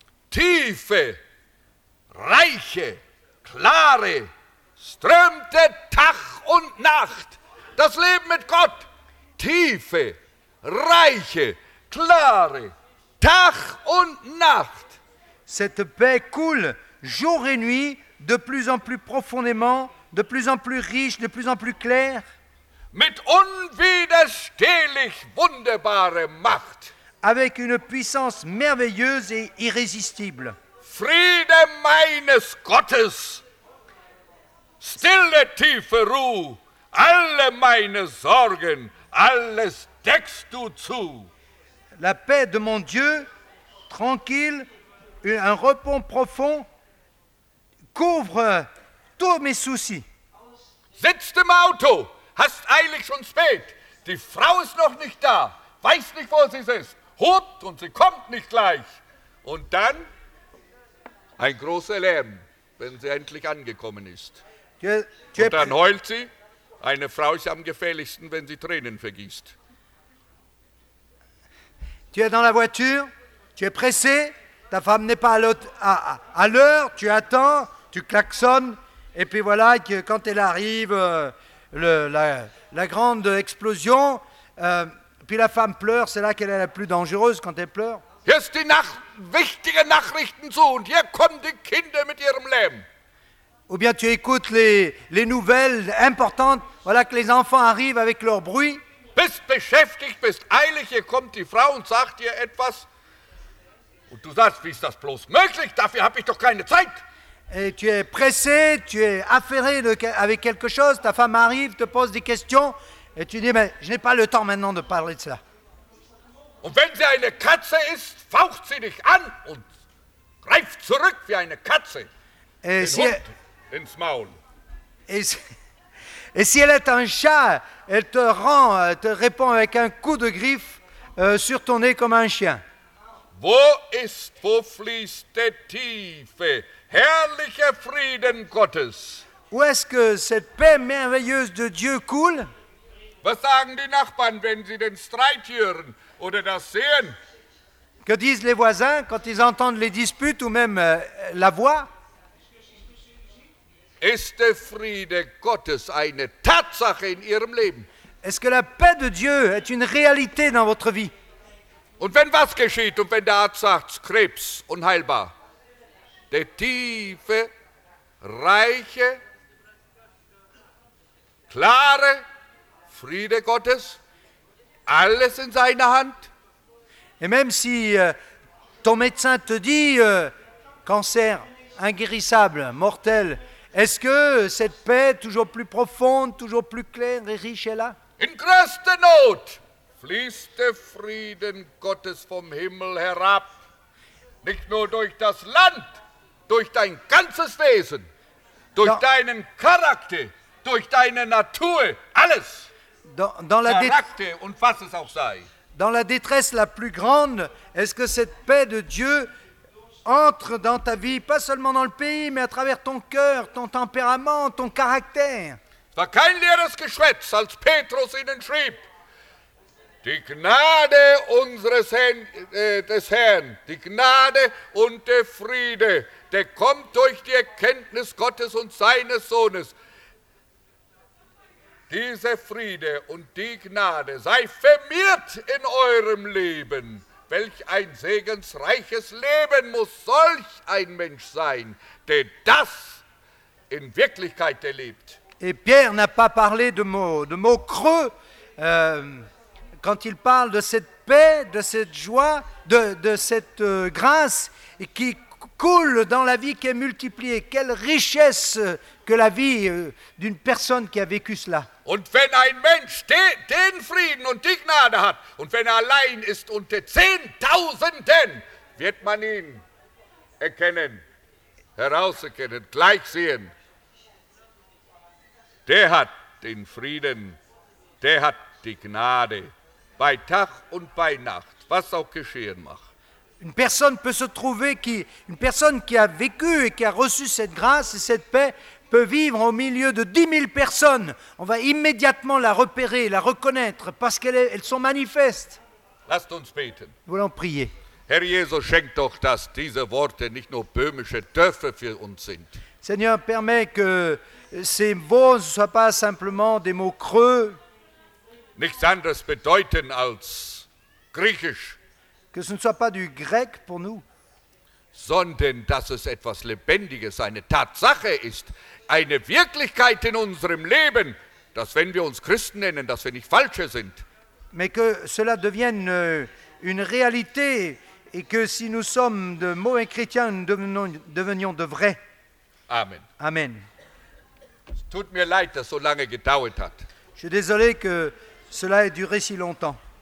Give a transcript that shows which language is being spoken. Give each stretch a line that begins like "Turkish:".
German: Tiefe, reiche, klare, strömte Tag und Nacht. Das Leben mit Gott. Tiefe, reiche, klare, Tag und Nacht.
French: Cette paix coule jour et nuit, de plus en plus profondément, de plus en plus riche, de plus en plus claire.
German: Mit unwiderstehlich wunderbarer Macht.
French: Avec une puissance merveilleuse et irrésistible.
German: Friede meines Gottes. Stille, tiefe Ruhe. Alle meine Sorgen, alles deckst du zu.
French: La paix de mon Dieu, tranquille, un repos profond, couvre tous mes soucis.
German: Sitzt im Auto. Hast eilig schon spät. Die Frau ist noch nicht da. Weiß nicht, wo sie ist. Hupt und sie kommt nicht gleich. Und dann ein großer Lärm, wenn sie endlich angekommen ist. Und dann heult sie. Eine Frau ist am gefährlichsten, wenn sie Tränen vergießt.
French: Tu es dans la voiture. Tu es pressé. Ta femme n'est pas à l'heure. Tu attends. Tu klaxonnes. Et puis voilà, quand elle arrive... La grande explosion, puis la femme pleure, c'est là qu'elle est la plus dangereuse quand elle pleure.
German: Hier ist die wichtige Nachrichten zu und hier kommen die Kinder mit ihrem Lärm.
French: Ou bien tu écoutes les nouvelles importantes, voilà que les enfants arrivent avec leur bruit.
German: Bist beschäftigt, bist eilig, hier kommt die Frau und sagt dir etwas. Und du sagst, wie ist das bloß möglich? Dafür habe ich doch keine Zeit.
French: Et tu es pressé, tu es affairé avec quelque chose, ta femme arrive, te pose des questions, et tu dis, mais je n'ai pas le temps maintenant de parler de ça.
German: Und wenn sie eine Katze ist, faucht sie dich an und greift zurück wie eine Katze.
French: Et
German: den
French: si
German: Hund
French: elle...
German: ins Maul.
French: Et si elle est un chat, elle te rend, te répond avec un coup de griffe sur ton nez comme un chien.
German: Wo ist, wo fließt die Tiefe? Herrlicher Frieden Gottes.
French: Où est-ce que cette paix merveilleuse de Dieu coule?
German: Was sagen die Nachbarn, wenn sie den Streit hören oder das sehen?
French: Que disent les voisins quand ils entendent les disputes ou même la voix?
German: Ist der Friede Gottes eine Tatsache in ihrem Leben?
French: Est-ce que la paix de Dieu est une réalité dans votre vie?
German: Und wenn was geschieht und wenn der Arzt sagt, Krebs unheilbar? Der tiefe, reiche, klare Friede Gottes, alles in seiner Hand.
French: Et même si ton médecin te dit cancer inguérissable, mortel, est-ce que cette paix toujours plus profonde, toujours plus claire et riche est là?
German: In größter Not fließt der Frieden Gottes vom Himmel herab, nicht nur durch das Land, durch dein ganzes Wesen, durch deinen Charakter, durch deine Natur, alles. Charakter und was es auch sei.
French: Dans la détresse la plus grande, est-ce que cette paix de Dieu entre dans ta vie, pas seulement dans le pays, mais à travers ton cœur, ton tempérament, ton caractère?
German: Es war kein leeres Geschwätz, als Petrus ihnen schrieb: Die Gnade unseres Herrn, die Gnade und der Friede, der kommt durch die Erkenntnis Gottes und seines Sohnes. Dieser Friede und die Gnade sei vermehrt in eurem Leben. Welch ein segensreiches Leben muss solch ein Mensch sein, der das in Wirklichkeit erlebt.
French: Et Pierre n'a pas parlé de mots creux quand il parle de cette paix, de cette joie, de cette grâce qui coule dans la vie qui est multipliée. Quelle richesse que la vie d'une personne qui a vécu cela.
German: Und wenn ein Mensch den Frieden und die Gnade hat und wenn er allein ist unter Zehntausenden, wird man ihn erkennen, herauserkennen, gleich sehen. Der hat den Frieden, der hat die Gnade bei Tag und bei Nacht, was auch geschehen mag.
French: Une personne peut se trouver qui, une personne qui a vécu et qui a reçu cette grâce et cette paix peut vivre au milieu de 10 000 personnes. On va immédiatement la repérer, la reconnaître, parce qu'elles sont manifestes.
German: Lasst uns beten.
French: Nous voulons prier.
German: Herr Jesus, schenk doch, dass diese Worte nicht nur böhmische Dörfer für uns sind.
French: Seigneur, permet que ces mots ne soient pas simplement des mots creux.
German: Nichts anderes bedeuten als griechisch.
French: Que ce ne soit pas du grec pour nous.
German: Sondern dass es etwas Lebendiges, eine Tatsache ist, eine Wirklichkeit in unserem Leben, dass wenn wir uns Christen nennen, dass wir nicht Falsche sind.
French: Mais que cela devienne une réalité et que si nous sommes de mauvais chrétiens, nous devenions de vrais.
German: Amen.
French: Amen.
German: Tut mir leid, dass so lange gedauert hat.
French: Je suis désolé que cela ait duré si longtemps.